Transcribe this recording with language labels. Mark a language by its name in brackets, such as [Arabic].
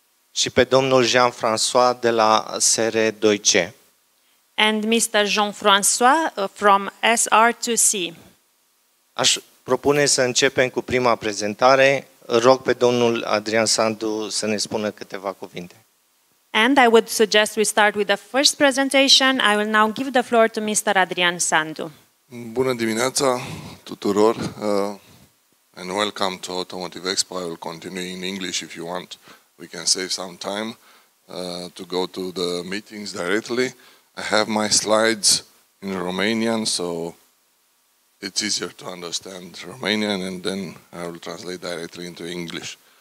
[Romanian] Și pe domnul Jean-François de la SR2C. [English] And Mr. Jean-François from SR2C. [Romanian] Aș propune să începem cu prima prezentare. Rog pe domnul Adrian Sandu să ne spună câteva cuvinte. [English] And I would suggest we start with the first presentation. I will now give the floor to Mr. Adrian Sandu. [Romanian] Bună dimineața tuturor. [English] And welcome to Automotive Expo. I will continue in English if you want. We can save some time to go to the meetings directly. I have my slides in Romanian, so it's easier to understand Romanian, and then I will translate directly into English.